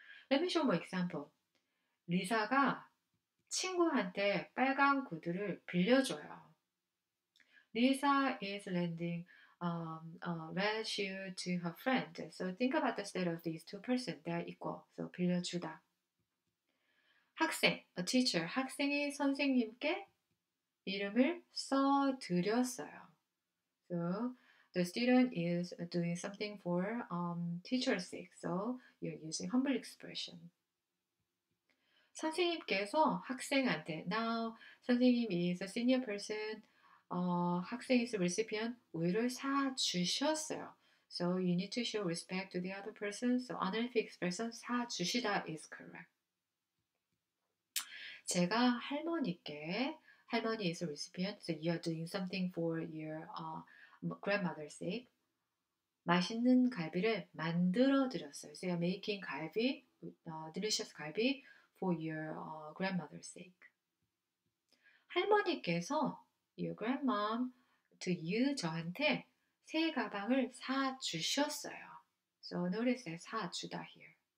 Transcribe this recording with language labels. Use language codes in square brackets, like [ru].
[en] Let me show more example. [ko] 리사가 친구한테 빨간 구두를 빌려줘요. [en] Lisa is lending lend you to her friend. So think about the state of these two persons. They are equal. So 빌려주다. 학생, a teacher. [ko] 학생이 선생님께 이름을 써드렸어요. [en] So the student is doing something for teacher's sake. So you're using humble expression. [ko] 선생님께서 학생한테, [en] now 선생님 is a senior person, 학생 is a recipient, [ko] 우유를 사주셨어요. [en] So you need to show respect to the other person. So honorific expression, 사주시다 is correct. [ko] 제가 할머니께, [en] 할머니 is a recipient, so you are doing something for your grandmother's sake. [ko] 맛있는 갈비를 만들어 드렸어요. [en] So you are making 갈비, delicious 갈비, for your grandmother's sake. [ko] 할머니께서 [en] your grandmom to you, [ko] 저한테 새 가방을 사주셨어요. [en] So notice that 사주다 here.